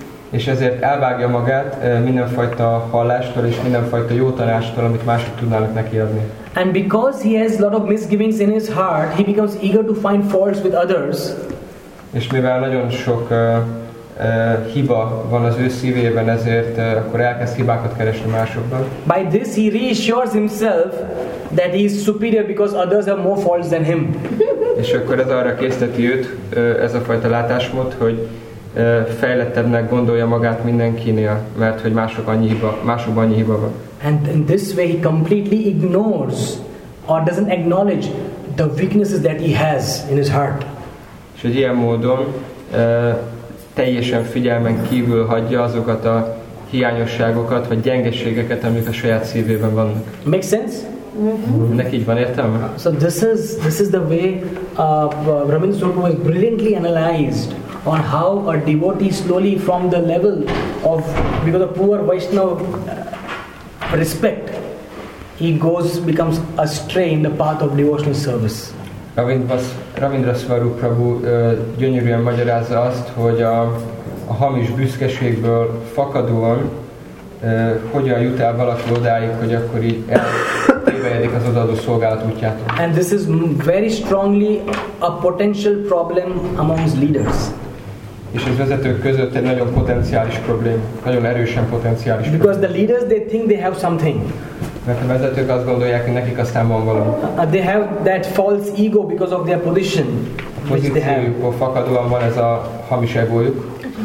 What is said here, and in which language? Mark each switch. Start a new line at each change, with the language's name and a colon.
Hungarian: És ezért elvágja magát mindenfajta hallástól és mindenfajta jó tanástól, amit mások tudnának neki adni.
English: And because he has a lot of misgivings in his heart, he becomes eager to find faults with others.
Hungarian: És mivel nagyon sok hiba van az ő szívében, ezért akkor elkezd hibákat keresni másokban.
English: By this he reassures himself that he is superior because others have more faults than him.
Hungarian: És akkor ez arra készteti őt, ez a fajta látásmód, hogy fejlettebbnek gondolja magát mindenkinél, mert hogy másokban annyi hiba van.
English: And in this way he completely ignores or doesn't acknowledge the weaknesses that he has in his heart.
Hungarian: És egy ilyen módon teljesen figyelmen kívül hagyja azokat a hiányosságokat vagy gyengeségeket, amik a saját szívében vannak.
English: Make sense?
Hungarian: Mm-hmm. Neki így van értelme?
English: So this is the way Ramin Sopo was brilliantly analyzed on how a devotee slowly from the level of because of poor Vaishnava respect he goes becomes astray in the path of devotional service.
Hungarian: Ravindra Swarup Prabhu gyönyörűen magyarázza azt, hogy a hamis büszkeségből fakadóan hogyan jut el valaki odáig, hogy akkor így elévejedik az odaadó szolgálat útjától.
English: And this is very strongly a potential problem amongst leaders.
Hungarian: És az vezetők között egy nagyon potenciális probléma, nagyon erősen potenciális problém.
English: Because the leaders, they think they have something.
Hungarian: Mert a vezetők azt gondolják, hogy nekik aztán van valami.
English: They have that false ego because of their position.
Hungarian: A pozíciójukból fakadóan van ez a hamis egójuk.